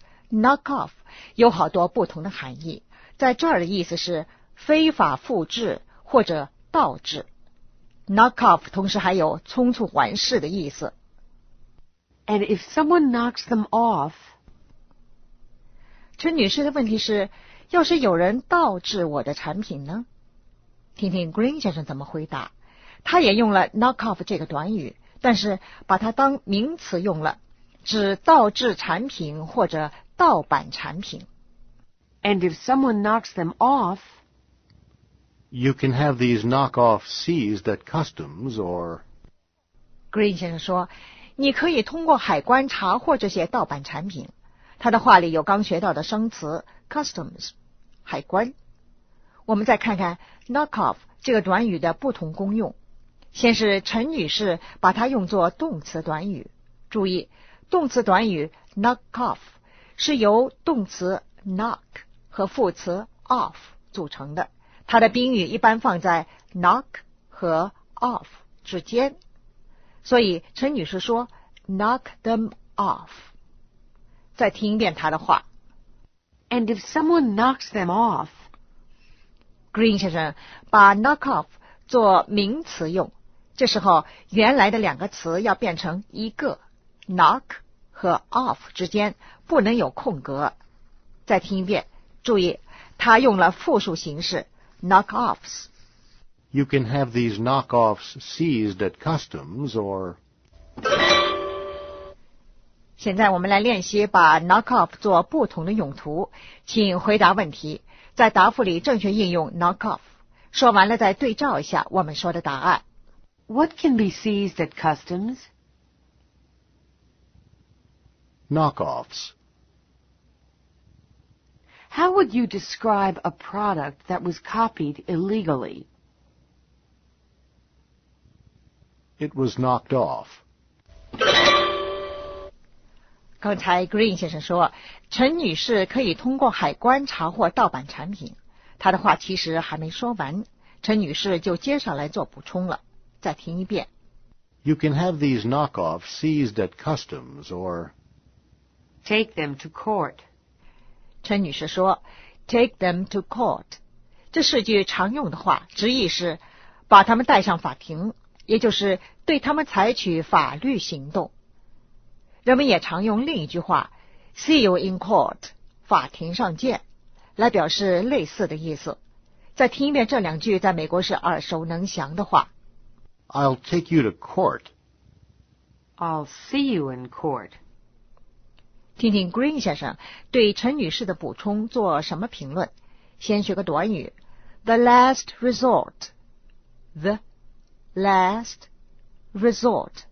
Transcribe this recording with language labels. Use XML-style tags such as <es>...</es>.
<zh>Knock off 有好多不同的含义，在这儿的意思是非法复制或者倒置 ，knock off 同时还有匆促完事的意思。</zh> <en>And if someone knocks them off，</en> <zh>陈女士的问题是，要是有人倒置我的产品呢？听听 Green 先生怎么回答，他也用了 knock off 这个短语，但是把它当名词用了，指倒置产品或者盗版产品。</zh> <en>And if someone knocks them off。 You can have these knockoffs seized at customs or...</en> <zh>Green 先生说，你可以通过海关查获这些盗版产品。他的话里有刚学到的生词 customs， 海关。我们再看看 knock off 这个短语的不同功用。先是陈女士把它用作动词短语。注意，动词短语 knock off 是由动词 knock 和副词 off 组成的，它的宾语一般放在 knock 和 off 之间。所以陈女士说 knock them off。再听一遍她的话。</zh> <en>And if someone knocks them off，</en> <zh>Green 先生把 knock off 做名词用，这时候原来的两个词要变成一个， knock 和 off 之间不能有空格。再听一遍，注意他用了复数形式 knock offs。</zh> <en>You can have these knockoffs seized at customs or...</en> <zh>现在我们来练习把 knockoff 做不同的用途，请回答问题，在答复里正确应用 knockoff， 说完了再对照一下我们说的答案。</zh> <en>What can be seized at customs? Knockoffs. How would you describe a product that was copied illegally? It was knocked off.</en> <zh>刚才 Green 先生说，陈女士可以通过海关查获盗版产品。她的话其实还没说完，陈女士就接上来做补充了。再听一遍。</zh> <en>You can have these knockoffs seized at customs or... Take them to court.</en> <zh>陈女士说 ,</zh> <en>take them to court.</en> <zh>这是句常用的话，直译是把他们带上法庭。也就是对他们采取法律行动。人们也常用另一句话</zh> <en>see you in court，</en> <zh>法庭上见，来表示类似的意思。再听一遍这两句在美国是耳熟能详的话。</zh> <en>I'll take you to court. I'll see you in court.</en> <zh>听听 Green 先生对陈女士的补充做什么评论。先学个短语</zh> <en>the last resort， theLast resort.</en>